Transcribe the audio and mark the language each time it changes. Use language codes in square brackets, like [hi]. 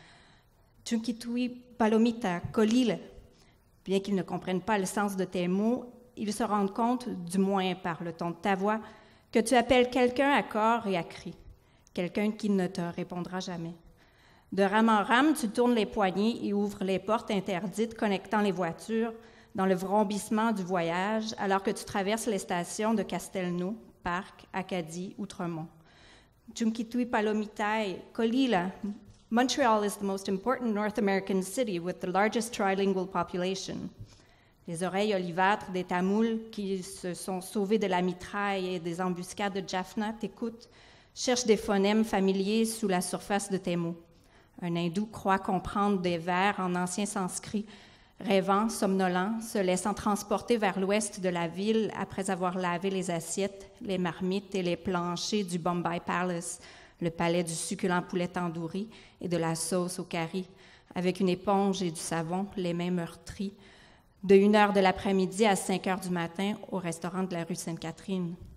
[qu] « Chunkitui palomita kolile [fr] » Bien qu'ils ne comprennent pas le sens de tes mots, ils se rendent compte, du moins par le ton de ta voix, que tu appelles quelqu'un à corps et à cri, quelqu'un qui ne te répondra jamais. De rame en rame, tu tournes les poignets et ouvres les portes interdites connectant les voitures dans le vrombissement du voyage alors que tu traverses les stations de Castelnau, Parc, Acadie, Outremont. [qu] Chunkitui palomitai kolila. [en] Montreal is the most important North American city with the largest trilingual population. [fr] Les oreilles olivâtres des Tamouls qui se sont sauvés de la mitraille et des embuscades de Jaffna t'écoutent, cherchent des phonèmes familiers sous la surface de tes mots. Un hindou croit comprendre des vers en ancien sanskrit, rêvant, somnolent, se laissant transporter vers l'ouest de la ville après avoir lavé les assiettes, les marmites et les planchers du Bombay Palace, le palais du succulent poulet tandoori et de la sauce au curry, avec une éponge et du savon, les mains meurtries, de 1h de l'après-midi à 5h du matin au restaurant de la rue Sainte-Catherine.